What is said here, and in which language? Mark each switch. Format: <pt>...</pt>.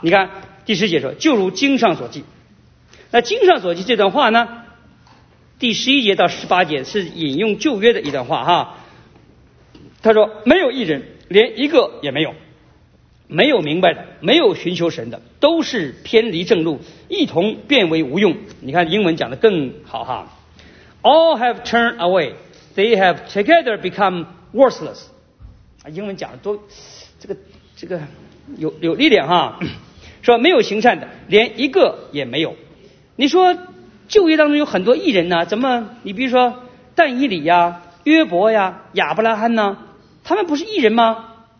<zh>你看第十节说，就如经上所记。那经上所记这段话呢，第十一节到十八节是引用旧约的一段话哈。他说没有义人，连一个也没有，没有明白的，没有寻求神的，都是偏离正路，一同变为无用。你看英文讲的更好哈。</zh> <en>All have turned away, they have together become worthless.</en> <zh>英文讲的都这个有力量哈。说没有行善的，连一个也没有。你说旧约当中有很多义人呢，怎么你比如说但以理呀、约伯呀、亚伯拉罕呢，他们不是义人吗？</zh>